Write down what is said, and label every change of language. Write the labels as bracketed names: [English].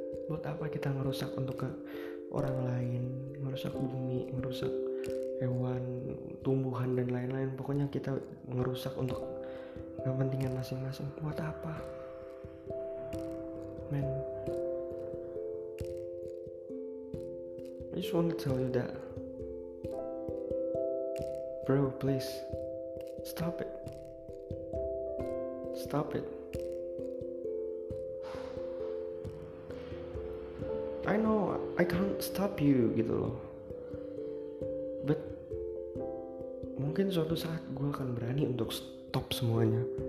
[Indonesian] Buat apa kita ngerusak untuk ke orang lain, ngerusak bumi, ngerusak hewan, tumbuhan dan lain-lain. Pokoknya kita ngerusak untuk kepentingan masing-masing. Buat apa? [English] Man, I just want to tell you that, bro, please stop it. Stop it. I know I can't stop you [Indonesian] gitu loh. But mungkin suatu saat gue akan berani untuk stop semuanya.